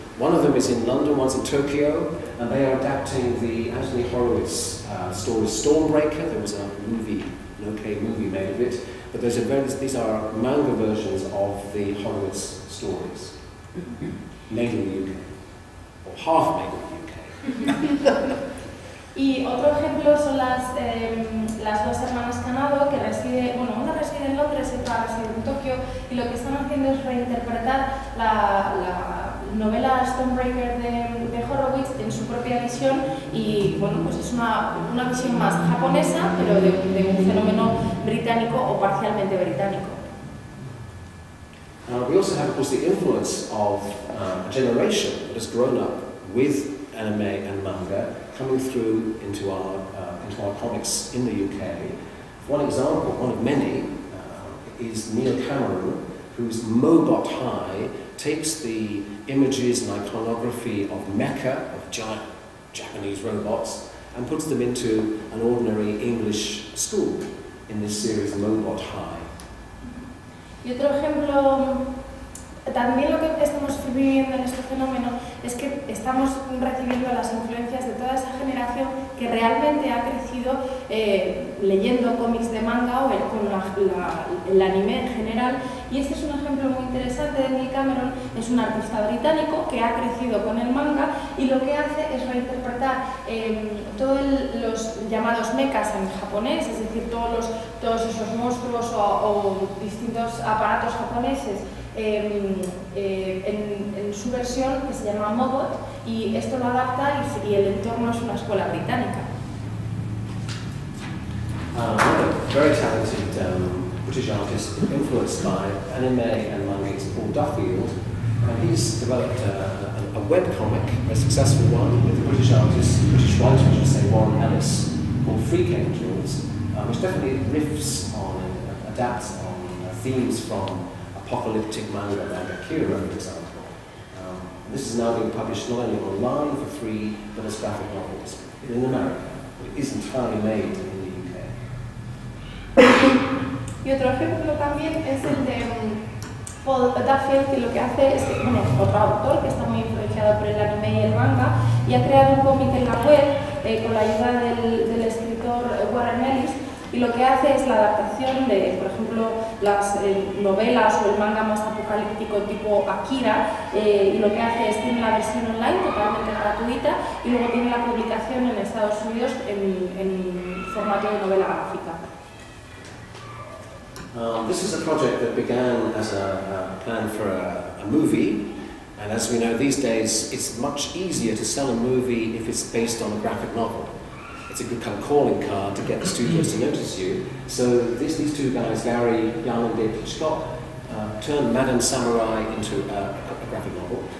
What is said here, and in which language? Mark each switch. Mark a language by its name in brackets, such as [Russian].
[English] One of them is in London, one's in Tokyo, and they are adapting the Anthony Horowitz story Stormbreaker. There was a movie, an okay movie made of it, but these are manga versions of the Horowitz stories, made in the UK, or half made in the UK. [Spanish] Y otro ejemplo son las dos hermanas Kanado, que reside, bueno, una reside en Londres y otra reside en Tokio, y lo que están haciendo es reinterpretar la novela Stormbreaker de Horowitz en su propia visión, y bueno, pues es una visión más japonesa, pero de un fenómeno británico o parcialmente británico. [English] We also have, of course, the influence of a generation that has grown up with anime and manga coming through into our comics in the UK. One example, one of many, is Neil Cameron, whose Mobot High takes the images and iconography of Mecha, of giant Japanese robots, and puts them into an ordinary English school in this series, Mobot High. [Spanish] Y otro ejemplo. También lo que estamos viviendo en este fenómeno es que estamos recibiendo las influencias de toda esa generación que realmente ha crecido leyendo cómics de manga o con el anime en general. Y este es un ejemplo muy interesante de Neil Cameron. Es un artista británico que ha crecido con el manga y lo que hace es reinterpretar todos los llamados mechas en japonés, es decir, todos esos monstruos o distintos aparatos japoneses. En su versión que se llama Mobot y esto lo adapta y el entorno es una escuela británica. [English] Another very talented British artist influenced by anime and manga is Paul Duffield, and he's developed a web comic, a successful one, with a British artist, British writer, I should say, Warren Ellis, called Freak Angels, which definitely riffs on and adapts on themes from apocalyptic manga like Akira, for example. This is now being published not only online for free, but as graphic novels in America. It is entirely made in the UK. [Spanish] Y otro ejemplo también es el de Paul Duffield, que lo que hace es que, bueno, otro autor que está muy influenciado por el anime y el manga, y ha creado un cómic en la web con la ayuda del escritor Warren Ellis. Y lo que hace es la adaptación de, por ejemplo, las novelas o el manga más apocalíptico tipo Akira, y lo que hace es tiene la versión online totalmente gratuita y luego tiene la publicación en Estados Unidos en formato de novela gráfica. [English] This is a project that began as a plan for a movie, And as we know these days, it's much easier to sell a movie if it's based on a graphic novel. It's a good kind of calling card to get the studios to notice you. So these two guys, Gary Young and David Scott, turned Madam Samurai into a graphic novel.